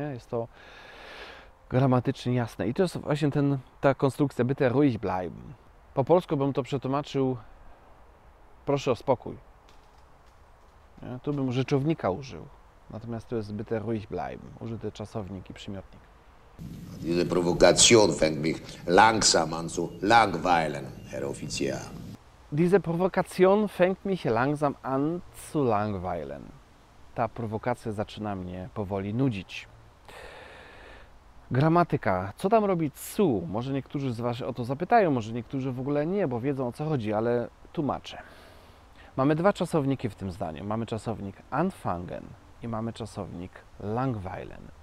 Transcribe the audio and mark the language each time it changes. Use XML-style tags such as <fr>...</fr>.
<pl>Jest to gramatycznie jasne. I to jest właśnie ta konstrukcja</pl> <de>bitte ruhig bleiben.</de> <pl>Po polsku bym to przetłumaczył, proszę o spokój. Ja tu bym rzeczownika użył. Natomiast tu jest</pl> <de>bitte ruhig bleiben,</de> <pl>użyty czasownik i przymiotnik.</pl> <de>Diese Provokation fängt mich langsam an zu langweilen, Herr Offizier. Diese Provokation fängt mich langsam an zu langweilen.</de> <pl>Ta prowokacja zaczyna mnie powoli nudzić. Gramatyka. Co tam robi zu? Może niektórzy z Was o to zapytają, może niektórzy w ogóle nie, bo wiedzą, o co chodzi, ale tłumaczę. Mamy dwa czasowniki w tym zdaniu. Mamy czasownik anfangen i mamy czasownik langweilen.</pl>